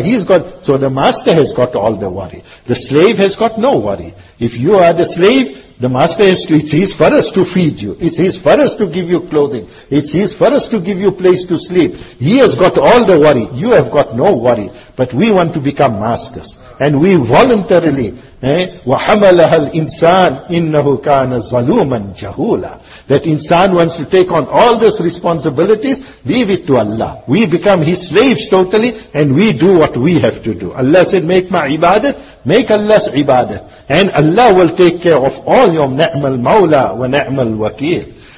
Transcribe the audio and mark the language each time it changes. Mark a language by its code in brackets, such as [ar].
[en] He's got, so the master has got all the worry. The slave has got no worry. If you are the slave, the master has to, it's his farz to feed you. It's his farz to give you clothing. It's his farz to give you place to sleep. He has got all the worry. You have got no worry. But we want to become masters. And we voluntarily, [ar] وَحَمَلَهَا الْإِنسَانِ إِنَّهُ كَانَ ظَلُومًا جَهُولًا. [en] That insan wants to take on all these responsibilities, leave it to Allah. We become his slaves totally, and we do what we have to do. Allah said, make my ibadat, make Allah's ibadat. And Allah will take care of all your [ar] ni'mal mawla wa ni'mal wakil.